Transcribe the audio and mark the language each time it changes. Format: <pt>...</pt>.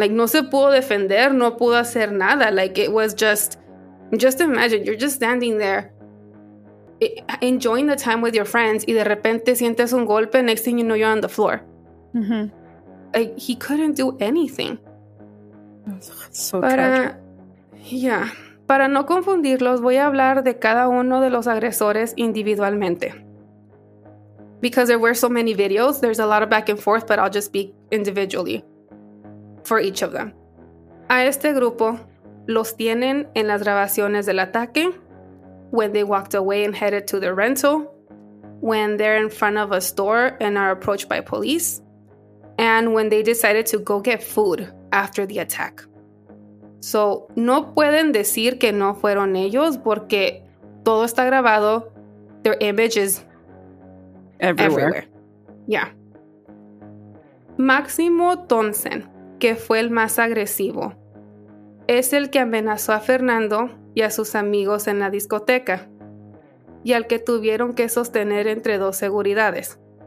<es>Like, no se pudo defender, no pudo hacer nada.</es> <en>Like, it was just imagine, you're just standing there enjoying the time with your friends,</en> <es>y de repente sientes un golpe,</es> <en>next thing you know, you're on the floor. Mm-hmm. Like, he couldn't do anything. So tragic. Yeah.</en> <es>Para no confundirlos, voy a hablar de cada uno de los agresores individualmente.</es> <en>Because there were so many videos, there's a lot of back and forth, but I'll just speak individually for each of them.</en> <es>A este grupo los tienen en las grabaciones del ataque,</es> <en>when they walked away and headed to their rental, when they're in front of a store and are approached by police, and when they decided to go get food after the attack.</en> <es>So, no pueden decir que no fueron ellos, porque todo está grabado.</es> <en>Their image is everywhere. Yeah.</en> <es>Máximo Thompson, que fue el más agresivo, es el que amenazó a Fernando y a sus amigos en la discoteca, y al que tuvieron que sostener entre dos seguridades.</es>